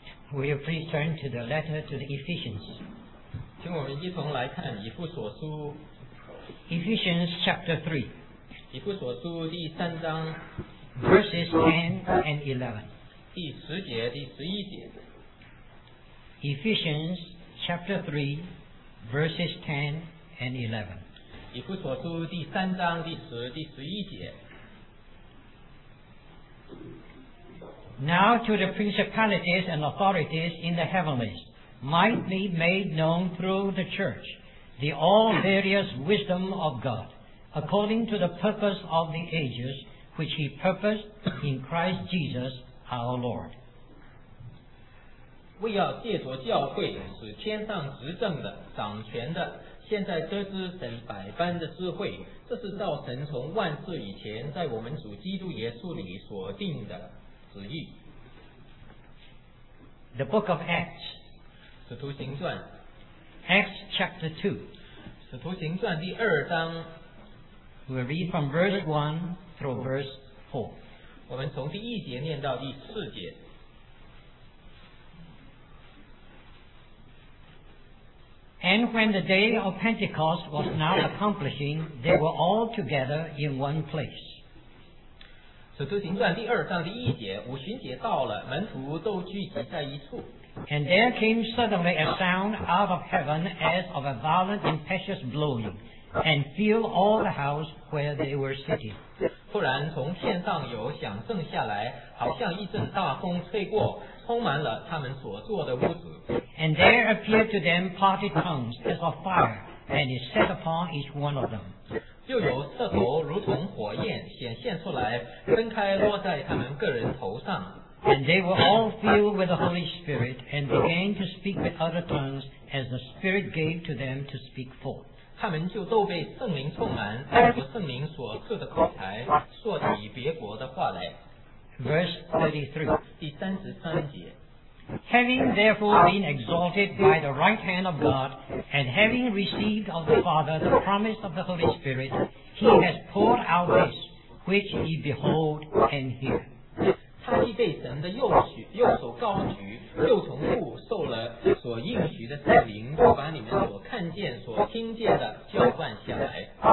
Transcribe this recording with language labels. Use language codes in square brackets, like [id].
[en] Will you please turn to the letter to the Ephesians? [zh] 请我们一同来看以弗所书。 [en] Ephesians chapter 3. [zh] 以弗所书第三章。 [en] Verses 10 and 11. [zh] 第十节第十一节。 [en] Ephesians chapter 3, verses 10 and 11. [zh] 以弗所书第三章第十第十一节。 [en] Now to the principalities and authorities in the heavenlies, might be made known through the church, the all various wisdom of God, according to the purpose of the ages, which he purposed in Christ Jesus our Lord. [zh] 为要借着教会使天上执政的、掌权的，现在得知神百般的智慧，这是照神从万世以前在我们主基督耶稣里所定的。 [en] The book of Acts, [zh] 使徒行传 [en] Acts chapter 2, [zh] 使徒行传第二章 [en] We'll read from verse 1 through verse 4. [zh] 我们从第一节念到第四节 [en] And when the day of Pentecost was now accomplishing, they were all together in one place. [zh] 使徒行传第二章第一节，五旬节到了，门徒都聚集在一处。 [en] And there came suddenly a sound out of heaven as of a violent impetuous blowing, and filled all the house where they were sitting. [zh] 突然从天上有响声下来，好像一阵大风吹过，充满了他们所坐的屋子。 [en] And there appeared to them parted tongues as of fire, and it set upon each one of them. [zh] 又有舌头如同火焰显现出来，分开落在他们个人头上。 [en] And they were all filled with the Holy Spirit and began to speak with other tongues as the Spirit gave to them to speak forth. [zh] 他们就都被圣灵充满，按着圣灵所赐的口才，说起别国的话来。 [en] Verse 33. [zh] 第三十三节。 [en] Having therefore been exalted by the right hand of God, and having received of the Father the promise of the Holy Spirit, he has poured out this, which ye behold and hear. [zh] 他既被神的右手高举，又从父受了所应许的圣灵，就把你们所看见、所听见的浇灌下来。